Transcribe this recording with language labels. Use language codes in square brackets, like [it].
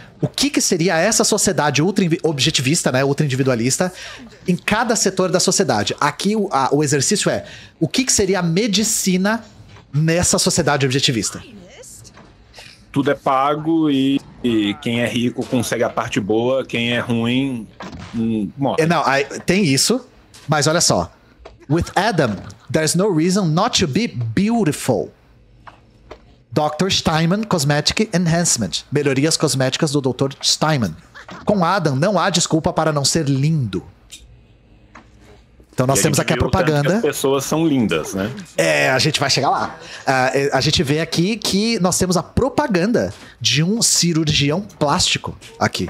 [pt] O que seria essa sociedade ultra-objetivista, né, ultra-individualista, em cada setor da sociedade? Aqui o exercício é, o que seria a medicina nessa sociedade objetivista? Tudo é pago e quem é rico consegue a parte boa, quem é ruim morre. Não, tem isso, mas olha só. [en] With Adam, there's no reason not to be beautiful. Dr. Steinman Cosmetic Enhancement. [pt] Melhorias cosméticas do Dr. Steinman. Com Adam, não há desculpa para não ser lindo. Então nós temos aqui a propaganda. As pessoas são lindas, né? É, a gente vai chegar lá. A gente vê aqui que nós temos a propaganda de um cirurgião plástico aqui.